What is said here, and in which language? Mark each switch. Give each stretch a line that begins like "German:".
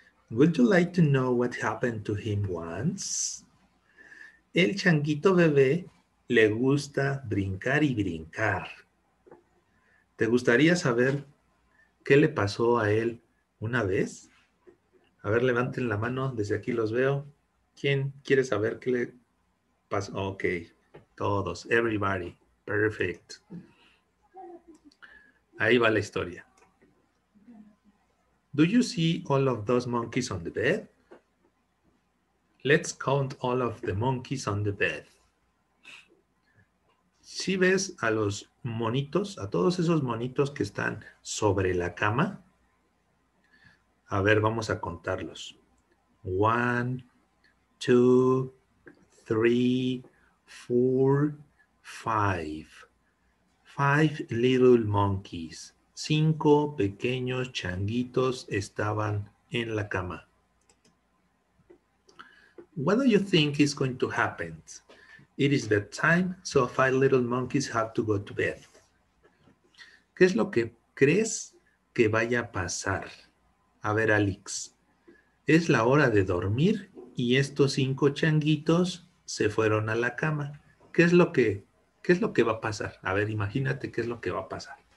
English: Would you like to know what happened to him once?
Spanish: El changuito bebé le gusta brincar y brincar. ¿Te gustaría saber qué le pasó a él una vez? A ver, levanten la mano, desde aquí los veo. ¿Quién quiere saber qué le pasó? Ok, todos, everybody, perfect. Ahí va la historia.
English: Do you see all of those monkeys on the bed? Let's count all of the monkeys on the bed.
Spanish: ¿Sí ves a los monitos, a todos esos monitos que están sobre la cama? A ver, vamos a contarlos. 1, 2, 3, 4, 5.
English: 5 little monkeys.
Spanish: 5 pequeños changuitos estaban en la cama.
English: What do you think is going to happen? It is bedtime, so 5 little monkeys have to go to bed.
Spanish: ¿Qué es lo que crees que vaya a pasar? A ver, Alex. Es la hora de dormir y estos 5 changuitos se fueron a la cama. ¿Qué es lo que va a pasar? A ver, imagínate qué es lo que va a pasar.